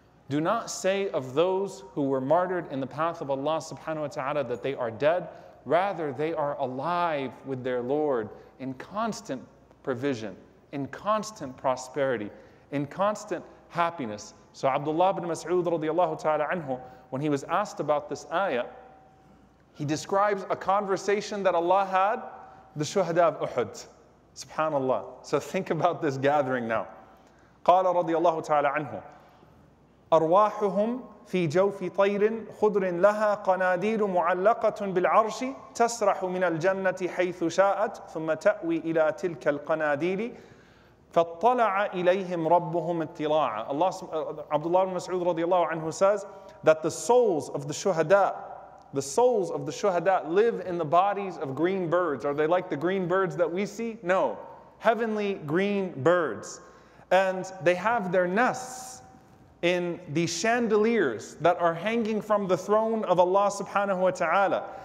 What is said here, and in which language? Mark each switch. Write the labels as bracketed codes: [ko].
[en] Do not say of those who were martyred in the path of Allah subhanahu wa ta'ala that they are dead, rather they are alive with their Lord in constant provision, in constant prosperity, in constant happiness. So Abdullah ibn Mas'ud radiallahu ta'ala anhu, when he was asked about this ayah, he describes a conversation that Allah had, the shuhada of Uhud, subhanAllah. So think about this gathering now. [ar] Qala radiallahu ta'ala anhu, أرواحهم في جوف طير خضر لها قناديل معلقة بالعرش تسرح من الجنة حيث شاءت ثم تأوي إلى تلك القناديل فَاطَّلَعَ إِلَيْهِمْ رَبُّهُمْ اتِّلَاعًا. [en] Abdullah ibn Mas'ud radiallahu anhu says that the souls of the shuhada, the souls of the shuhada live in the bodies of green birds. Are they like the green birds that we see? No. Heavenly green birds. And they have their nests in the chandeliers that are hanging from the throne of Allah subhanahu wa ta'ala.